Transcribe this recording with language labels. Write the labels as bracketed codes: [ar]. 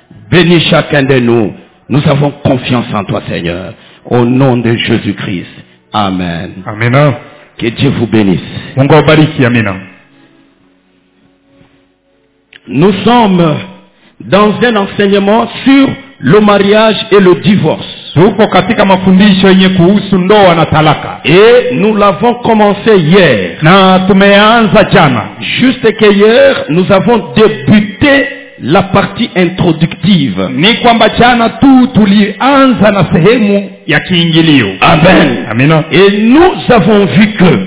[fr] Bénis chacun de nous. Nous avons confiance en toi, Seigneur. Au nom de Jésus-Christ. Amen. Amen. Que Dieu vous bénisse. [sw] Mungu bariki. Amen. [fr] Nous sommes dans un enseignement sur le mariage et le divorce. [sw] Tuko katika mafundisho yenye kuhusu ndoa na talaka. [fr] Et nous l'avons commencé hier. [sw] Na tumeanza jana. [fr] Juste que hier, nous avons débuté la partie introductive. [sw] Ni kwamba jana tu tulianza na sehemu ya kiingilio. Amen. Amen. [fr] Et nous avons vu que